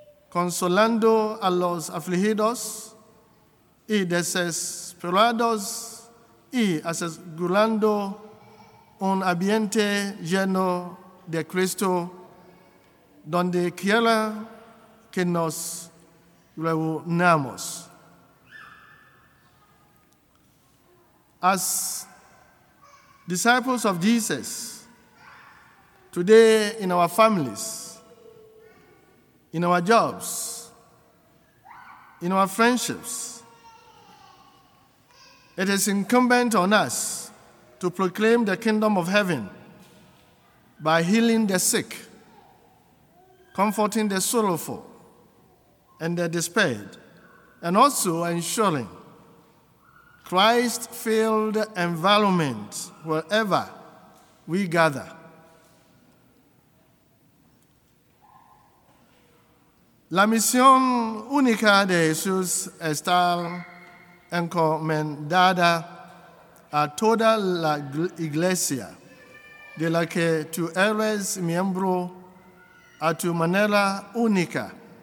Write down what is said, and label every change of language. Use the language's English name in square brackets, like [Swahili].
[Spanish] consolando a los afligidos y desesperados y asegurando un ambiente lleno de Cristo donde quiera que nos reunamos. [English] As disciples of Jesus, today in our families, in our jobs, in our friendships, it is incumbent on us to proclaim the kingdom of heaven by healing the sick, comforting the sorrowful and the despaired, and also ensuring Christ-filled environment wherever we gather. [Spanish] La misión única de Jesús está encomendada a toda la iglesia de la que tú eres miembro a tu manera única.